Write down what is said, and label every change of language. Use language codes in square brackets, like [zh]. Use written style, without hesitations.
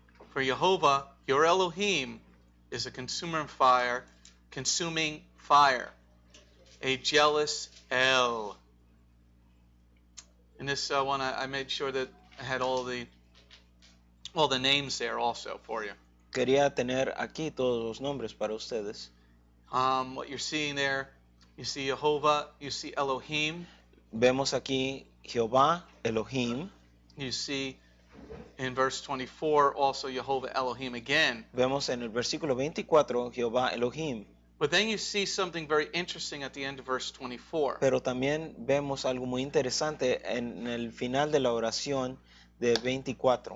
[en] For Jehovah, your Elohim, is a consumer of fire, consuming fire, a jealous El. And this one, I made sure that I had all the names there also for you. [es] Quería tener aquí todos los nombres para ustedes. [en] What you're seeing there, you see Jehovah, you see Elohim. [es] Vemos aquí Jehová, Elohim. [en] You see in verse 24 also Jehovah Elohim again. [es] Vemos en el versículo 24 Jehová Elohim. [en] But then you see something very interesting at the end of verse 24. [es] Pero también vemos algo muy interesante en el final de la oración de 24.